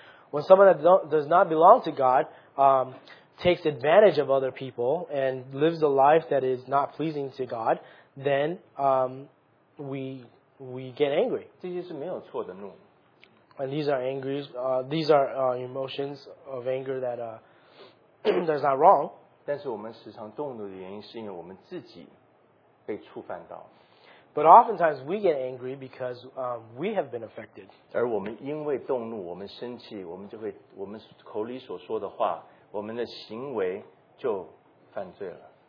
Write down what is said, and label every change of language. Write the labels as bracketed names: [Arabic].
[English] When someone that does not belong to God takes advantage of other people and lives a life that is not pleasing to God, then we get angry. [Chinese] 这些是没有错的怒。 [English] And these are angry, these are emotions of anger that that is not wrong. [Chinese] 但是我们时常动怒的原因是因为我们自己被触犯到。 [English] But oftentimes we get angry because we have been affected. [Chinese] 而我们因为动怒，我们生气，我们就会，我们口里所说的话，我们的行为就犯罪了。